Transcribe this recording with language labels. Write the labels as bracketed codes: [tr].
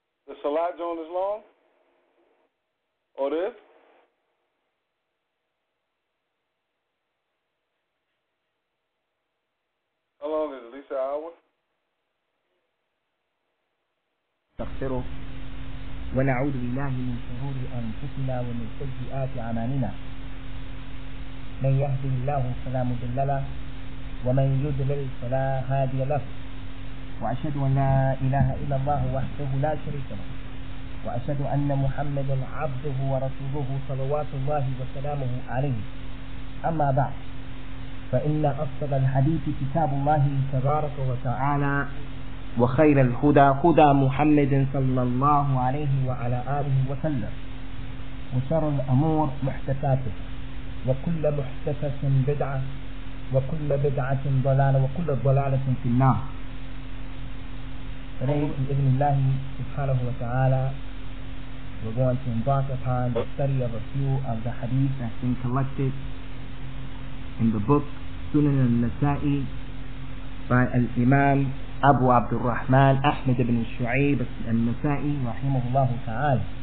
[en] Is the light on this long? Or this? How long is it? At least an hour? [ar] نستغفره ونعوذ بالله من شرور أنفسنا ومن سيئات أعمالنا. من يهده الله فلا مضل له ومن يضلل فلا هادي له. وأشهد أن لا إله إلا الله وحده لا شريك له وأشهد أن محمدا عبده ورسوله صلوات الله وسلامه عليه. أما بعد، فإن أصدق الحديث كتاب الله تبارك وتعالى وخير الهدى هدى محمد صلى الله عليه وعلى آله وسلم، وشر الأمور محدثاته، وكل محدثة بدعة، وكل بدعة ضلالة، وكل ضلالة في النار. فليت بإذن الله سبحانه وتعالى [en] we're going to embark upon the study of a few of the hadith that's been collected in the book Sunan al-Nasa'i by al-Imam أبو عبد الرحمن أحمد بن الشعيب النسائي رحمه الله تعالى.